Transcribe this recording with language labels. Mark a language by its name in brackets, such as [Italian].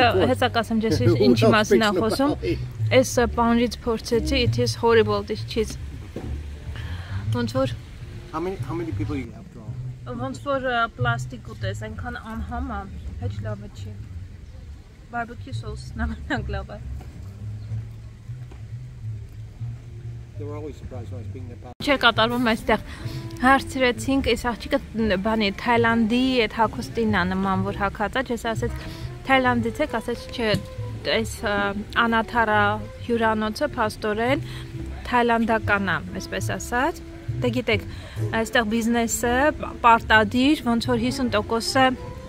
[Armenian] Հեսա կասեմ ես ինչի մասին ա խոսում։ Այս պանրից փորձեցի, [English] it is horrible this cheese. [Armenian] Ոնց որ [English] How many people you have drawn? [Armenian] Ոնց որ պլաստիկ ուտես, այնքան անհամ է, հեչ լավը չի։ Barbecue sauce-ն ավելի լավ է։ Չէ կատարվում այստեղ։ Հարցրեցինք, այս աղջիկը բանի Թայլանդի այդ հագուստինն է նման, որ հագած է, ես ասեց Թայլանդից եք, ասեց չէ, այս Անաթարա հյուրանոցը փաստորեն թայլանդական է, այսպես ասած։ Դե գիտեք, այստեղ բիզնեսը պարտադիր, ոնց որ 50%